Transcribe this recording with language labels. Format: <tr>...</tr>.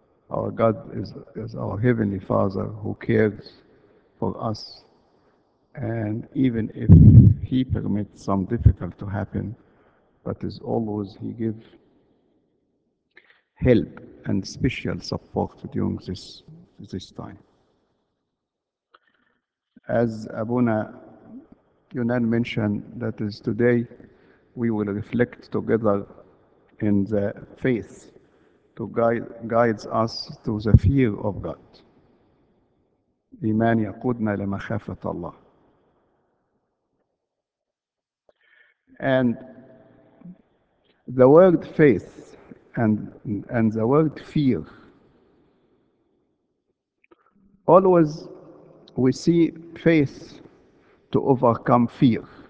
<en>Our God is our Heavenly Father who cares for us, and even if He permits some difficult to happen, but is always He gives help and special support during this time. As Abuna Yonan mentioned, that is today we will reflect together in the faith to guide us to the fear of God.</en> <ar>إيمان يقودنا لمخافة الله.</ar> <en>And the word faith and the word fear, always we see faith to overcome fear.</en>